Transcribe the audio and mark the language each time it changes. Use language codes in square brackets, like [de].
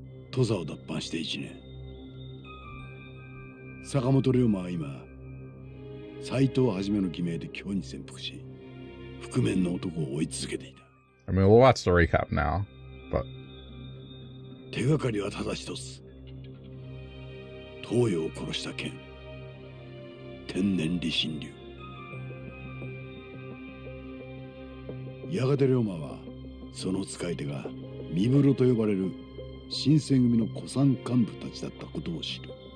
[ja] Toza を脱藩して1年。坂本龍馬は今斉藤はじめの偽名で京に潜伏し、覆面の男を追い続けていた。 [en] I mean, we'll watch the recap now, but [ja] 手がかりはただ一つ。東洋を殺した剣、天然離心流。やがて龍馬はその使い手が身風呂と呼ばれる新選組の古参幹部たちだったことを知る。